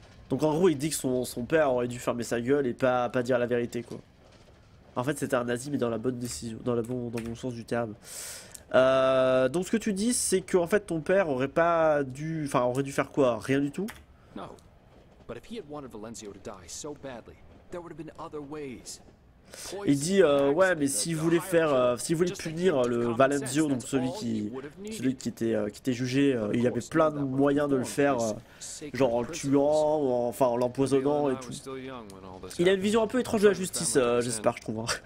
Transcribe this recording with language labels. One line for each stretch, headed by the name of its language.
French: Donc en gros, il dit que son père aurait dû fermer sa gueule et pas dire la vérité, quoi. En fait, c'était un nazi, mais dans la bonne décision, dans le bon sens du terme. Donc, ce que tu dis, c'est que en fait, ton père aurait pas dû, enfin, aurait dû faire quoi? Rien du tout?
English: No, but if he had wanted Valenzio to die so badly, there would have been other ways.
French: Il dit ouais, mais s'il voulait punir le Valenzio, donc celui qui était jugé, il y avait plein de moyens de le faire, genre en le tuant ou enfin en l'empoisonnant et tout. Il a une vision un peu étrange de la justice, j'espère, je trouve.